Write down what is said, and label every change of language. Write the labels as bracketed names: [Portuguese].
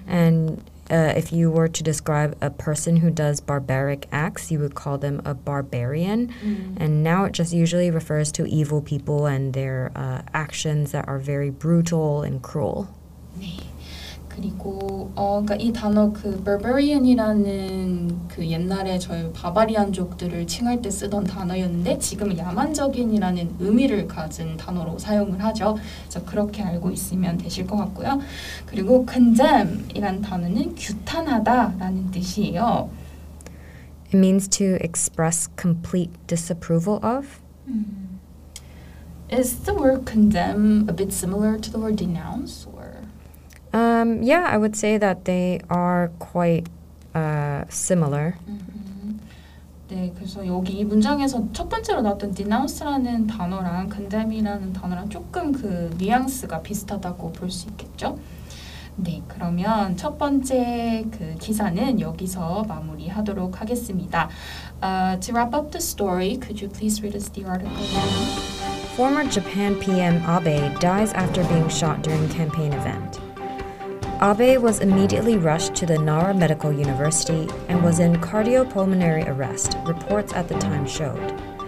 [English] And if you were to describe a person who does barbaric acts, you would call them a barbarian. Mm-hmm. And now it just usually refers to evil people and their actions that are very brutal and cruel. [Korean] 네. 그리고 그러니까 이 단어 그 barbarian이라는 그 옛날에 저희 바바리안족들을 칭할 때 쓰던 단어였는데 지금 야만적인이라는 의미를 가진 단어로 사용을 하죠. 그래서 그렇게 알고 있으면 되실 것 같고요. 그리고 condemn이라는 단어는 규탄하다라는 뜻이에요. [English] It means to express complete disapproval of. Is the word condemn a bit similar to the word denounce? Yeah, I would say that they are quite similar. [Korean] Mm-hmm. 네, 그래서 여기 이 문장에서 첫 번째로 나왔던 denounce라는 단어랑 condemn이라는 단어랑 조금 그 뉘앙스가 비슷하다고 볼 수 있겠죠? 네, 그러면 첫 번째 그 기사는 여기서 마무리하도록 하겠습니다. [English] To wrap up the story, could you please read us the article now? Former Japan PM Abe dies after being shot during campaign event. Abe was immediately rushed to the Nara Medical University and was in cardiopulmonary arrest, reports at the time showed.